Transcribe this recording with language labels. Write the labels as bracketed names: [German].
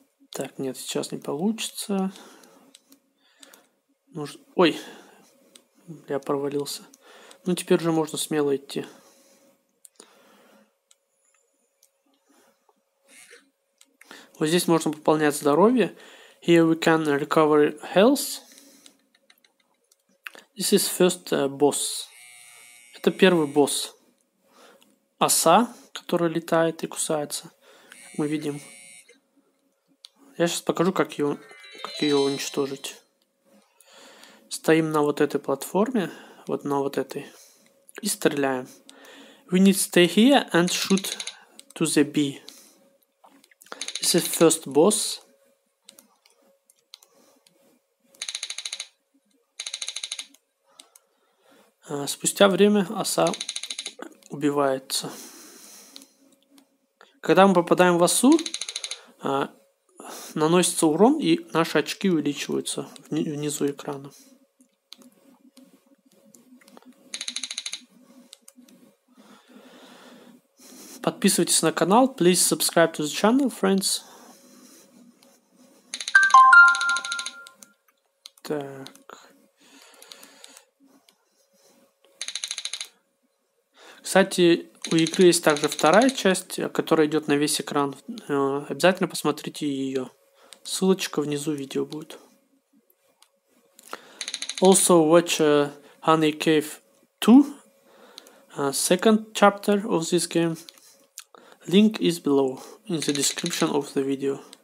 [Russian] Так, нет, сейчас не получится. Ой, я провалился. Ну, теперь уже можно смело идти. Вот здесь можно пополнять здоровье. [English] Here we can recover health. This is first boss. [Russian] Это первый босс. Оса, которая летает и кусается. Мы видим... Я сейчас покажу, как ее уничтожить. Стоим на вот этой платформе. Вот на вот этой. И стреляем. [English] We need to stay here and shoot to the bee. This is first boss. [Russian] Спустя время оса убивается. Когда мы попадаем в осу, наносится урон, и наши очки увеличиваются внизу экрана. Подписывайтесь на канал. [English] Please subscribe to the channel, friends. [Russian] Так. Кстати, у игры есть также вторая часть, которая идет на весь экран. Обязательно посмотрите ее. Ссылочка внизу видео будет. [English] Also watch Honey Cave 2, second chapter of this game. Link is below in the description of the video.